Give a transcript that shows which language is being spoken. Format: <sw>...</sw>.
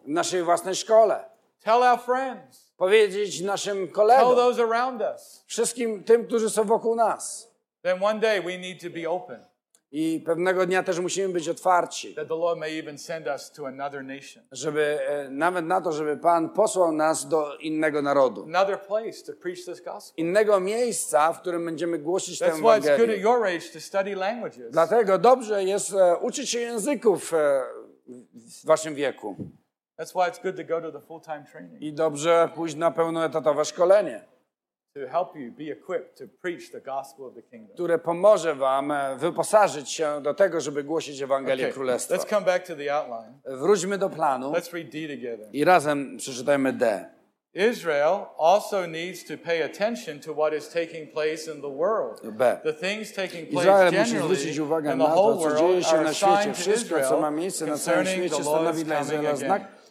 <pl>W naszej własnej szkole.</pl> <en>Tell our friends.</en> <pl>Powiedzieć naszym kolegom.</pl> <en>Tell those around us.</en> <pl>Wszystkim tym, którzy są wokół nas.</pl> <en>Then one day we need to be open.</en> <pl>I pewnego dnia też musimy być otwarci,</pl> <en>that the Lord may even send us to another nation.</en> <pl>Żeby nawet na to, żeby Pan posłał nas do innego narodu,</pl> <en>another place to preach this gospel.</en> <pl>Innego miejsca, w którym będziemy głosić tę Ewangelię.</pl> <en>That's why it's good at your age to study languages.</en> <pl>Dlatego dobrze jest uczyć się języków w waszym wieku.</pl> <en>That's why it's good to go to the full-time training.</en> <pl>I dobrze pójść na pełnoetatowe szkolenie.</pl> <en>To help you be equipped to preach the gospel of the kingdom.</en> <pl>Które pomoże wam wyposażyć się do tego, żeby głosić Ewangelię okay, Królestwa.</pl> <en>Let's come back to the outline.</en> <pl>Wróćmy do planu.</pl> <en>Let's read D together.</en> <pl>I razem przeczytajmy D.</pl> <en>Israel also needs to pay attention to what is taking place in the world. B. The things taking place generally in the whole world are a sign to Israel concerning the Lord's coming again.</en>